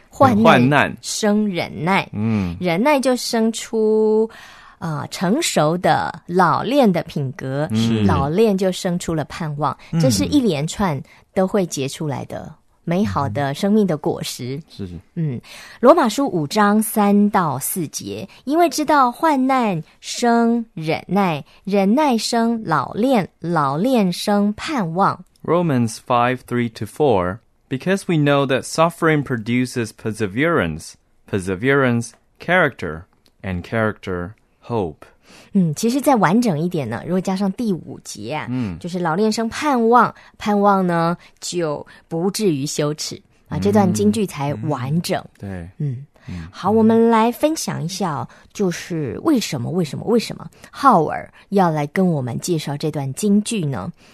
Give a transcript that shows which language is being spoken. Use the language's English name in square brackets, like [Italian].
[Chinese] 患难生忍耐，忍耐就生出成熟的老练的品格，老练就生出了盼望，这是一连串都会结出来的美好的生命的果实。罗马书五章三到四节，因为知道患难生忍耐，忍耐生老练，老练生盼望。 [English] Romans 5:3-4,Because we know that suffering produces perseverance, perseverance, character, and character, hope. [Chinese] 其实再完整一点呢，如果加上第五节啊，就是老练生盼望，盼望呢就不至于羞耻啊，这段金句才完整。好，我们来分享一下，就是为什么 Howard 要来跟我们介绍这段金句呢？